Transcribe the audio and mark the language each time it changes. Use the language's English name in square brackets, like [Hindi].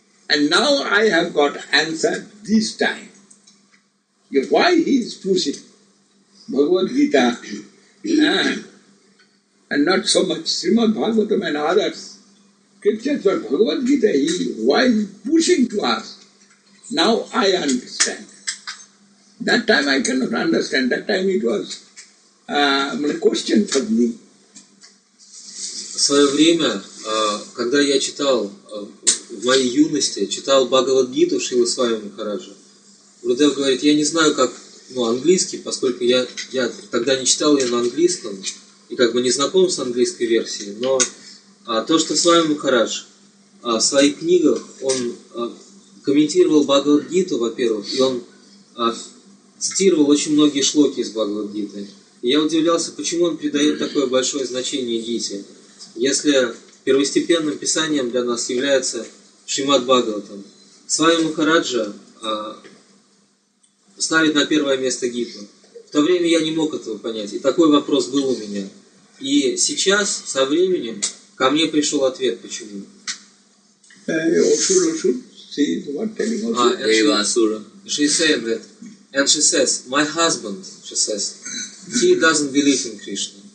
[English] And now I have got answer this time. Why he is pushing Bhagavad Gita and not so much Srimad Bhagavatam and others. Scriptures, but Bhagavad Gita, why is he pushing to us? Now I understand. That time I cannot understand. That time it was a question for me. [Russian] В свое время, когда я читал, в моей юности, читал Бхагавад-гиту Шрилы Свами Махараджа, Гурудев говорит, я не знаю, как английский, поскольку я тогда не читал ее на английском и как бы не знаком с английской версией, но то, что Свами Махарадж в своих книгах, он комментировал Бхагавад-гиту, во-первых, и он цитировал очень многие шлоки из Бхагавад-гиты. И я удивлялся, почему он придает такое большое значение гите. Если первостепенным писанием для нас является Шримад Бхагаватам, Свами Махараджа ставит на первое место Гиту. В то время я не мог этого понять, и такой вопрос был у меня. И сейчас, со временем, ко мне пришел ответ, почему. [English] She said that, and she says, my husband, she says, he doesn't believe in Krishna.